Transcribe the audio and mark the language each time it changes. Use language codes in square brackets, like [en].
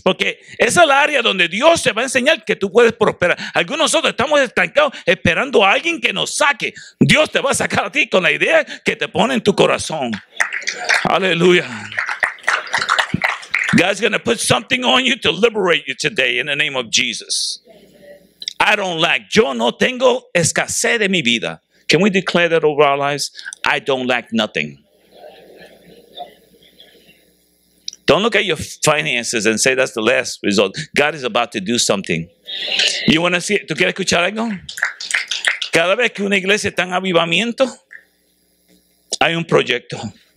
[es] Porque esa es la área donde Dios te va a enseñar que tú puedes prosperar. Algunos de nosotros estamos estancados esperando a alguien que nos saque. Dios te va a sacar a ti con la idea que te pone en tu corazón. Aleluya. [en] God's going to put something on you to liberate you today in the name of Jesus. I don't lack. [es] Yo no tengo escasez de mi vida. [en] Can we declare that over our lives? I don't lack nothing. Don't look at your finances and say that's the last result. God is about to do something. You want to see it? [es] ¿Tú quieres escuchar algo? Cada vez que una iglesia está en avivamiento, hay un proyecto.